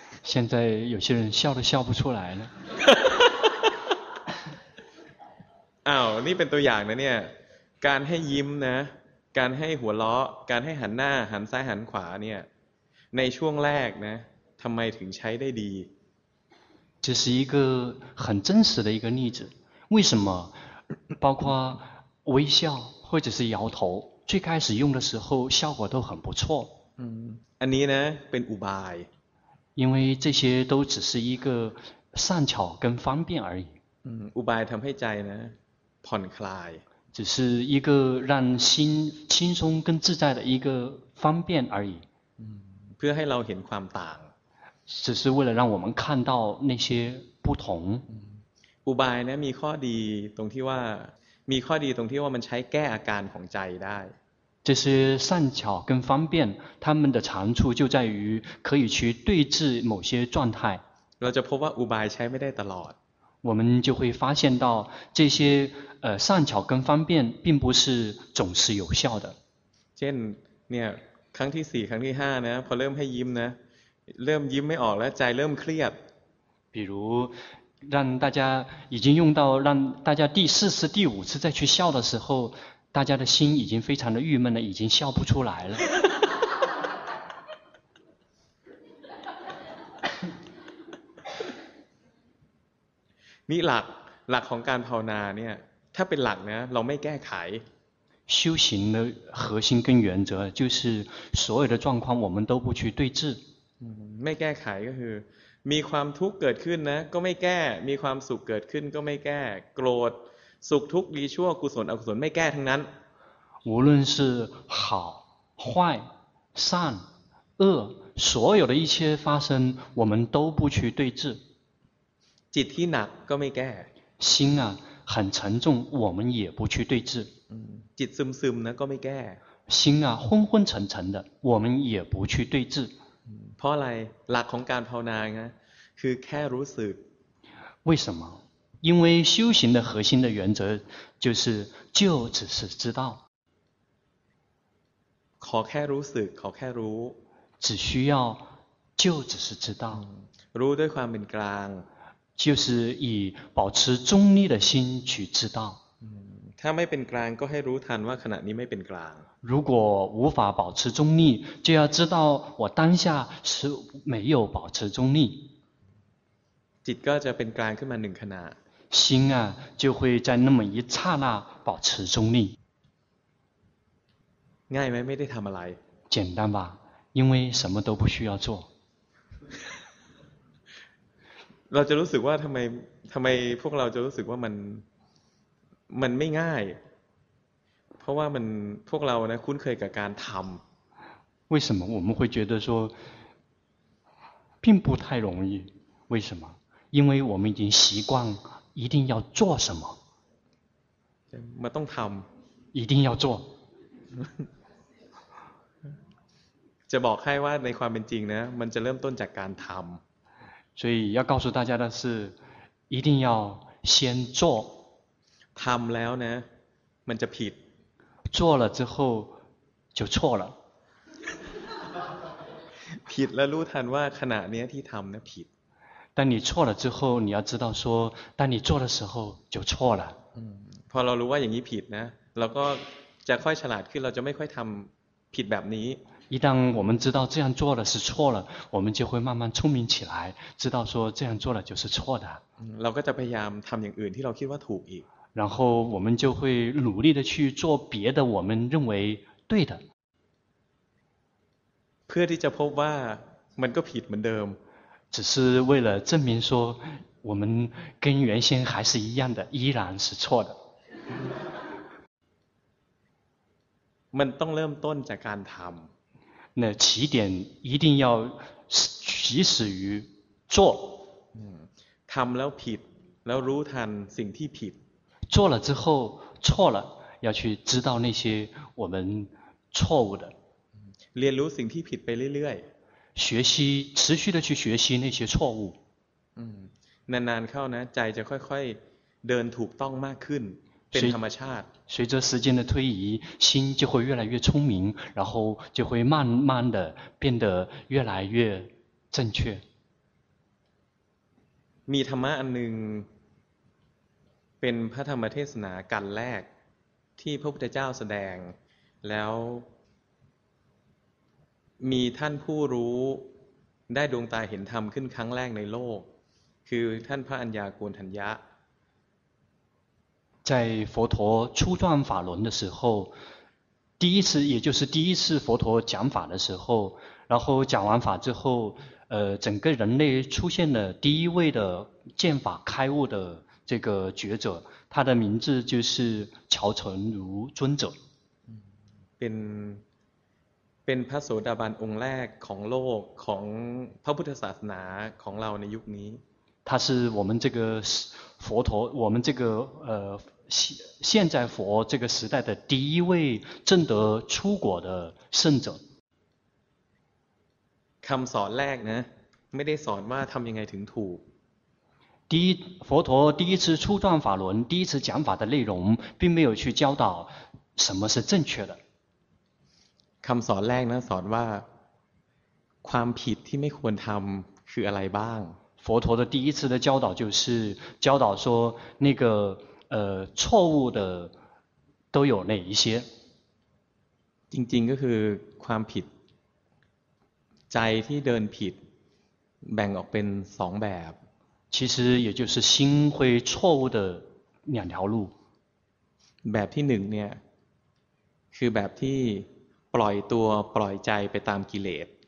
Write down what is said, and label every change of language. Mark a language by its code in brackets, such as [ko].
[zh] 现在有些人笑都笑不出来了。 [th] อ้าวนี่เป็นตัวอย่างนะเนี่ยการให้ยิ้มนะการให้หัวเราะการให้หันหน้าหันซ้ายหันขวาเนี่ยในช่วงแรกนะทำไมถึงใช้ได้ดี [zh] 这是一个很真实的一个例子为什么包括微笑或者是摇头最开始用的时候效果都很不错 [th] อันนี้นะเป็นอุบาย [zh] 因为这些都只是一个善巧跟方便而已 [th] อุบายทำให้ใจนะผ่อนคลาย [zh] 只是一个让心轻松跟自在的一个方便而已。 [th] เพื่อให้เราเห็นความต่าง [zh] 只是为了让我们看到那些不同。 [th] อุบายนะมีข้อดีตรงที่ว่ามีข้อดีตรงที่ว่ามันใช้แก้อาการของใจได้ [zh] 这些善巧跟方便它们的长处就在于可以去对治某些状态 [th] เราจะพบว่าอุบายใช้ไม่ได้ตลอด [zh] 我们就会发现到这些善巧跟方便并不是总是有效的 [th] เช่นเนี่ยครั้งที่4ครั้งที่5นะพอเริ่มให้ยิ้มนะเริ่มยิ้มไม่ออกแล้วใจเริ่มเครียด [zh] 比如让大家已经用到让大家第四次第五次再去笑的时候大家的心已经非常的郁闷了已经笑不出来了 [th] นี่หลักของการภาวนาเนี่ยถ้าเป็นหลักนะเราไม่แก้ไข [zh] 修行的核心跟原则就是所有的状况我们都不去对治 [th] ไม่แก้ไขก็คือมีความทุกข์เกิดขึ้นนะก็ไม่แก้มีความสุขเกิดขึ้นก็ไม่แก้โกรธสุขทุกข์ดีชั่วกุศลอกุศลไม่แก้ทั้งนั้น [zh] 无论是好坏善恶所有的一切发生我们都不去对治 [th] จิตที่หนักก็ไม่แก้ [zh] 心啊很沉重我们也不去对治 [th] จิตซึมซึมนะก็ไม่แก้ [zh] 心啊昏昏沉沉的我们也不去对治 [th] เพราะอะไรหลักของการภาวนานะคือแค่รู้สึก [zh] 为什么因为修行的核心的原则就是就只是知道 [th] ขอแค่รู้สึกขอแค่รู้ [zh] 只需要就只是知道 [th] รู้ด้วยความเป็นกลาง [zh] 就是以保持中立的心去知道 [th] ถ้าไม่เป็นกลางก็ให้รู้ทันว่าขณะนี้ไม่เป็นกลาง [zh] 如果无法保持中立就要知道我当下是没有保持中立 [th] จิตก็จะเป็นกลางขึ้นมาหนึ่งขณะ [zh] 心啊就会在那么一刹那保持中立 [th] ง่ายไหมไม่ได้ทำอะไร [zh] 简单吧因为什么都不需要做 [th] เราจะรู้สึกว่าทำไมพวกเราจะรู้สึกว่ามันไม่ง่ายเพราะว่ามันพวกเรานะคุ้นเคยกับการทำ [zh] 为什么我们会觉得说并不太容易为什么因为我们已经习惯一定要做什么 [th] มันต้องทำ [zh] 一定要做 [th] จะบอกให้ว่าในความเป็นจริงนะมันจะเริ่มต้นจากการทำ [zh] 所以要告诉大家的是一定要先做 [th] ทำแล้วนะมันจะผิด [zh] 做了之后就错了 [th] ผิดแล้วรู้ทันว่าขณะนี้ที่ทำนะผิด [zh] 当你错了之后你要知道说当你做的时候就错了 [th] พอเรารู้ว่าอย่างนี้ผิดนะเราก็จะค่อยฉลาดขึ้นเราจะไม่ค่อยทำผิดแบบนี้ [zh] 一旦我们知道这样做了是错了我们就会慢慢聪明起来知道说这样做了就是错的 [th] เราก็จะพยายามทำอย่างอื่นที่เราคิดว่าถูกอีก [zh] 然后我们就会努力的去做别的我们认为对的 [th] เพื่อที่จะพบว่ามันก็ผิดเหมือนเดิม [zh] 只是为了证明说我们跟原先还是一样的，依然是错的。 [th] มันต้องเริ่มต้นจากการทำ [zh] 那起点一定要起始于做。 [th] ทำแล้วผิดแล้วรู้ทันสิ่งที่ผิด [zh] 做了之后错了，要去知道那些我们错误的。 [th] เรียนรู้สิ่งที่ผิดไปเรื่อยๆ [zh] 学习，持续的去学习那些错误。 [th] นานๆเข้านะใจจะค่อยๆเดินถูกต้องมากขึ้นเป็นธรรมชาติ [zh] 随着时间的推移，心就会越来越聪明，然后就会慢慢的变得越来越正确。 [th] มีธรรมะอันหนึ่งเป็นพระธรรมเทศนากันแรกที่พระพุทธเจ้าแสดงแล้วมีท่านผู้รู้ได้ดวงตาเห็นธรรมขึ้นครั้งแรกในโลกคือท่านพระอัญญาโกณฑัญญะ [zh] 在佛陀初转法轮的时候第一次也就是第一次佛陀讲法的时候然后讲完法之后整个人类出现了第一位的见法开悟的这个觉者他的名字就是乔成儒尊者 [th] เป็นพระโสดาบันองค์แรกของโลกของพระพุทธศาสนาของเราในยุคนี้ [zh] 他是我们这个佛陀我们这个现在佛这个时代的第一位证得出果的圣者 [th] คำสอนแรกนะไม่ได้สอนว่าทำยังไงถึงถูก [zh] 第一佛陀第一次初转法轮第一次讲法的内容并没有去教导什么是正确的 [th] คำสอนแรกนะสอนว่าความผิดที่ไม่ควรทำคืออะไรบ้าง [zh] 佛陀的第一次的教导就是教导说那个错误的都有哪一些 [th] จริงๆก็คือความผิดใจที่เดินผิดแบ่งออกเป็นสองแบบ [zh] 其实也就是心会错误的两条路 [th] แบบที่หนึ่งเนี่ยคือแบบที่ปล่อยตัวปล่อยใจไปตามกิเลส